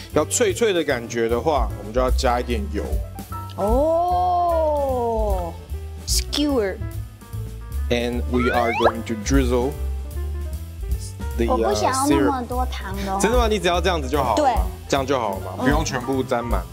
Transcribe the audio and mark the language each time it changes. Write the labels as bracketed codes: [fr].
[zh] 要脆脆的感觉的话，我们就要加一点油。 [en] Oh, skewer. And we are going to drizzle the syrup. [zh] 我不想要那么多糖的。真的吗？你只要这样子就好了。对，这样就好了嘛，不用全部沾满。